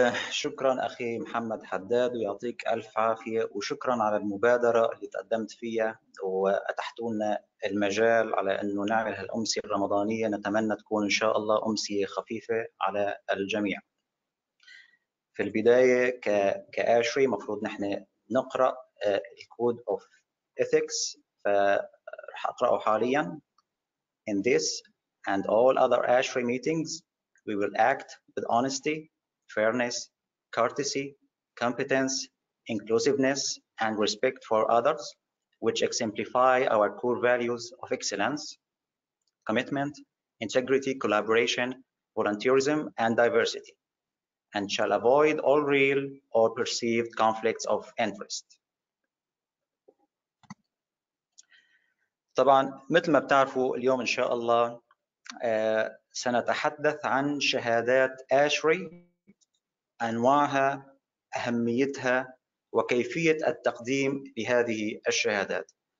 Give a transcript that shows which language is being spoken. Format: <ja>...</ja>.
<ar>شكرا أخي محمد حداد، ويعطيك ألف عافية، وشكرا على المبادرة اللي تقدمت فيها وأتحتولنا المجال على أنه نعمل هالأمسية الرمضانية. نتمنى تكون إن شاء الله أمسية خفيفة على الجميع. في البداية كآشري مفروض نحن نقرأ الكود أوف إثكس، فرح أقرأه حاليا.</ar> <en>In this and all other ASHRAE meetings, we will act with honesty, fairness, courtesy, competence, inclusiveness, and respect for others, which exemplify our core values of excellence, commitment, integrity, collaboration, volunteerism, and diversity, and shall avoid all real or perceived conflicts of interest.</en> <ar>طبعا مثل ما بتعرفوا اليوم ان شاء الله سنتحدث عن شهادات ASHRAE، أنواعها، أهميتها، وكيفية التقديم لهذه الشهادات.</ar>